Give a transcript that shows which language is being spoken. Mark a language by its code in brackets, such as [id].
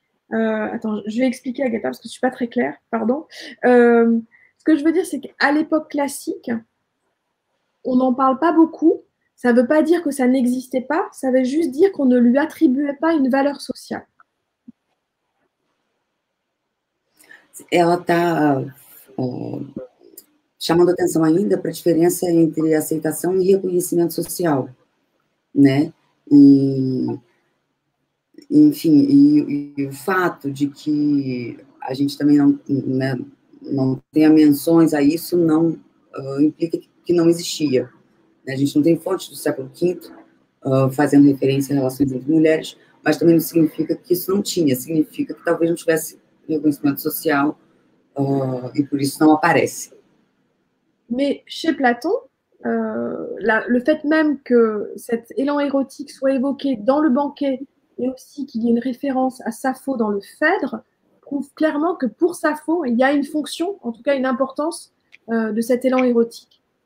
[fr] Attends, je vais expliquer à Agatha parce que je ne suis pas très claire, pardon. Ce que je veux dire, c'est qu'à l'époque classique, on n'en parle pas beaucoup. Ça ne veut pas dire que ça n'existait pas, ça veut juste dire qu'on ne lui attribuait pas une valeur sociale. [pt] Ela está chamando atenção ainda para a diferença entre aceitação e reconhecimento social, né? E, enfim, e o fato de que a gente também não, né, não tenha menções a isso não implica que não existia. Né? A gente não tem fontes do século V fazendo referência a relações entre mulheres, mas também não significa que isso não tinha, significa que talvez não tivesse reconhecimento social. [fr] Et pour ça, ça n'apparaît. Mais chez Platon, le fait même que cet élan érotique soit évoqué dans le banquet et aussi qu'il y ait une référence à Sappho dans le Phèdre prouve clairement que pour Sappho, il y a une fonction, en tout cas une importance de cet élan érotique.